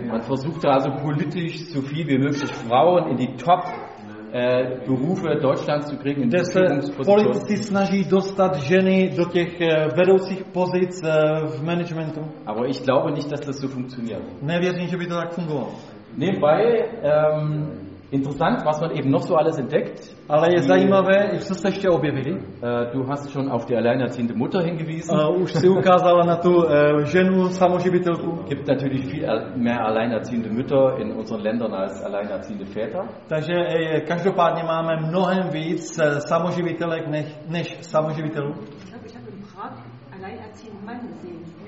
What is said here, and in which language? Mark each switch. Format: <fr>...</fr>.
<de>Man versucht also politisch so viel wie möglich Frauen in die Top Berufe Deutschlands zu kriegen, in die Führungspositionen.</de> <cs>Politici snaží dostat ženy do těch vedoucích pozic v managementu.</cs> <de>Aber ich glaube nicht, dass das so funktioniert.</de> <cs>Nevěřím, že by to tak fungovalo.</cs> <de>Nebenbei, interessant, was man eben noch so alles entdeckt.</de> <cs>Ale je zajímavé, co se ještě objevili.</cs> <de>Du hast schon auf die alleinerziehende Mutter hingewiesen.</de> <cs>Už si ukázala na tu ženu samoživitelku.</cs> <de>Gibt natürlich viel mehr alleinerziehende Mütter in unseren Ländern als alleinerziehende Väter.</de> <cs>Takže každopádně máme mnohem víc samoživitelek než samoživitelů.</cs> <de>Ich habe im Prag alleinerziehenden Mann gesehen.</de>